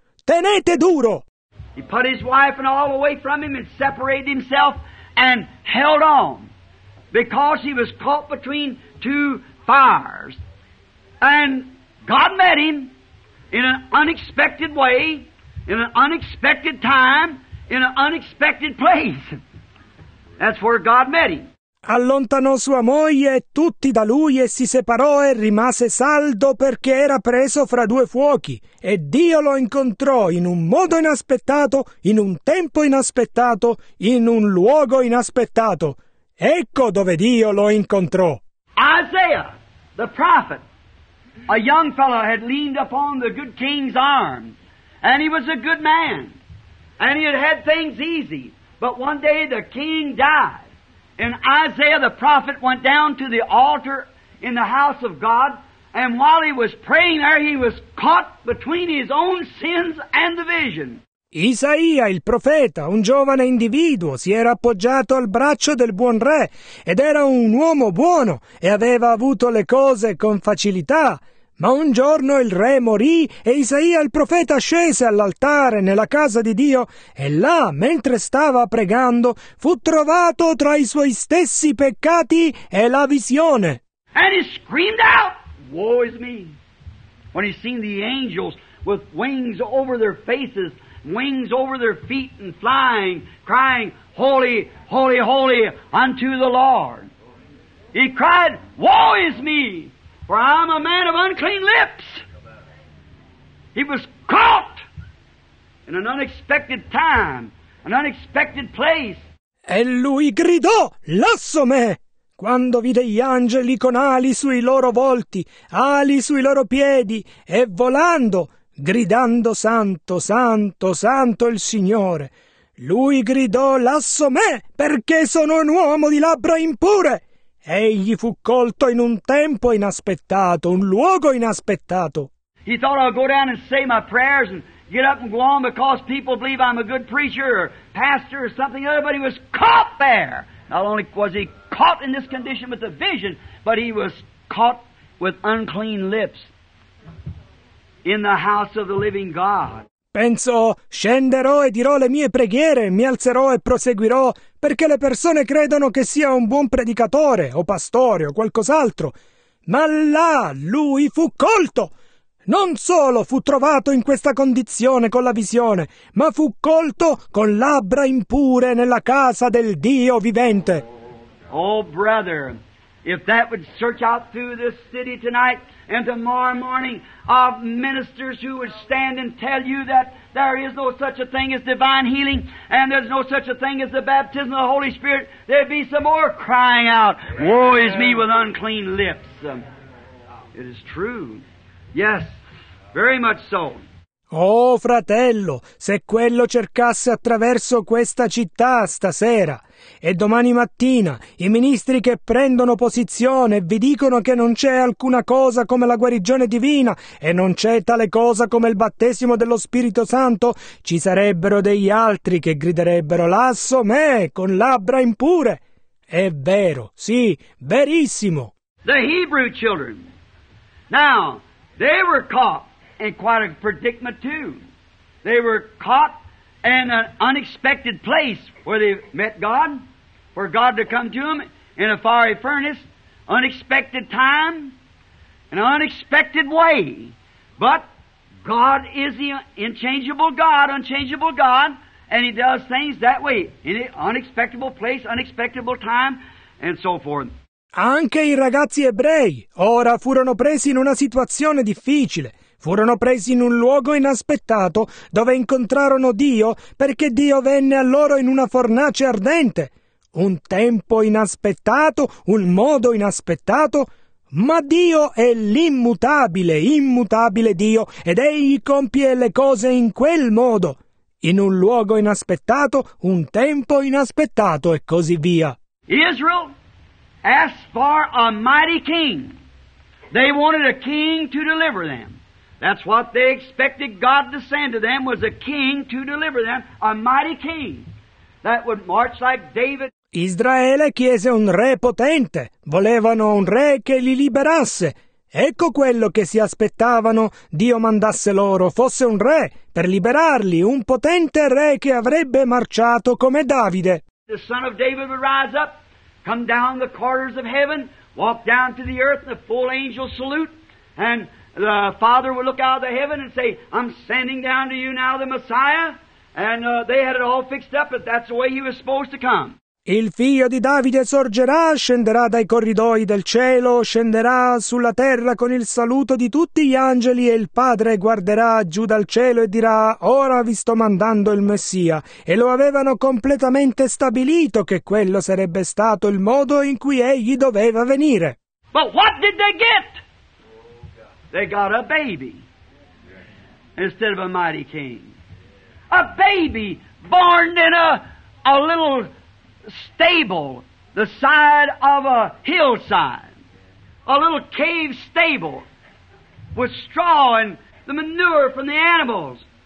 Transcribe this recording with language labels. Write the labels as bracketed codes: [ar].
[it] Tenete duro! [en] He put his wife and all away from him and separated himself and held on because he was caught between two fires. And God met him in an unexpected way. In an unexpected time, in an unexpected place. That's where God met him. [it] Allontanò sua moglie e tutti da lui e si separò e rimase saldo perché era preso fra due fuochi. E Dio lo incontrò in un modo inaspettato, in un tempo inaspettato, in un luogo inaspettato. Ecco dove Dio lo incontrò. [en] Isaiah, the prophet, a young fellow had leaned upon the good king's arm. And he was a good man, and he had had things easy. But one day the king died, and Isaiah the prophet went down to the altar in the house of God, and while he was praying there, he was caught between his own sins and the vision. [it] Isaia, il profeta, un giovane individuo, si era appoggiato al braccio del buon re, ed era un uomo buono, e aveva avuto le cose con facilità. Ma un giorno il re morì e Isaia il profeta scese all'altare nella casa di Dio e là, mentre stava pregando, fu trovato tra i suoi stessi peccati e la visione. [en] And he screamed out, "Woe is me!" When he seen the angels with wings over their faces, wings over their feet and flying, crying, "Holy, holy, holy unto the Lord." He cried, "Woe is me! For I'm a man of unclean lips." He was caught in an unexpected time, an unexpected place. [it] E lui gridò, "Lasso me!" Quando vide gli angeli con ali sui loro volti, ali sui loro piedi, e volando, gridando, "Santo, santo, santo il Signore!" Lui gridò, "Lasso me, perché sono un uomo di labbra impure!" Egli fu colto in un tempo inaspettato, un luogo inaspettato. [en] He thought, "I'll go down and say my prayers and get up and go on because people believe I'm a good preacher or pastor or something other, but he was caught there. Not only was he caught in this condition with the vision, but he was caught with unclean lips in the house of the living God. [it] Penso, scenderò e dirò le mie preghiere, mi alzerò e proseguirò, perché le persone credono che sia un buon predicatore, o pastore, o qualcos'altro. Ma là, lui fu colto! Non solo fu trovato in questa condizione con la visione, ma fu colto con labbra impure nella casa del Dio vivente. [en] Oh, brother, if that would search out through this city tonight, and tomorrow morning of ministers who would stand and tell you that there is no such a thing as divine healing and there's no such a thing as the baptism of the Holy Spirit, there'd be some more crying out, woe is me with unclean lips. It is true. Yes, very much so. [it] Oh, fratello, se quello cercasse attraverso questa città stasera e domani mattina i ministri che prendono posizione e vi dicono che non c'è alcuna cosa come la guarigione divina e non c'è tale cosa come il battesimo dello Spirito Santo, ci sarebbero degli altri che griderebbero lasso me con labbra impure. È vero, sì, verissimo. [en] The Hebrew children, now, they were caught. And quite a predicament too. They were caught in an unexpected place where they met God, for God to come to them in a fiery furnace, unexpected time, an unexpected way. But God is the unchangeable God, and He does things that way, in an unexpected place, unexpected time, and so forth. [it] Anche I ragazzi ebrei ora furono presi in una situazione difficile. Furono presi in un luogo inaspettato dove incontrarono Dio perché Dio venne a loro in una fornace ardente. Un tempo inaspettato, un modo inaspettato, ma Dio è l'immutabile, immutabile Dio ed Egli compie le cose in quel modo. In un luogo inaspettato, un tempo inaspettato e così via. [en] Israel asked for a mighty king. They wanted a king to deliver them. That's what they expected God to send to them, was a king to deliver them, a mighty king that would march like David. [it] Israele chiese un re potente, volevano un re che li liberasse. Ecco quello che si aspettavano Dio mandasse loro, fosse un re, per liberarli, un potente re che avrebbe marciato come Davide. [en] The son of David would rise up, come down the corridors of heaven, walk down to the earth, the full angel salute, and the Father would look out of the heaven and say, I'm sending down to you now the Messiah. And they had it all fixed up, but that's the way he was supposed to come. [it] Il figlio di Davide sorgerà, scenderà dai corridoi del cielo, scenderà sulla terra con il saluto di tutti gli angeli e il Padre guarderà giù dal cielo e dirà, ora vi sto mandando il Messia. E lo avevano completamente stabilito che quello sarebbe stato il modo in cui egli doveva venire. [en] But what did they get? They got a baby instead of a mighty king. A baby born in a little stable, the side of a hillside. A little cave stable with straw and the manure from the animals.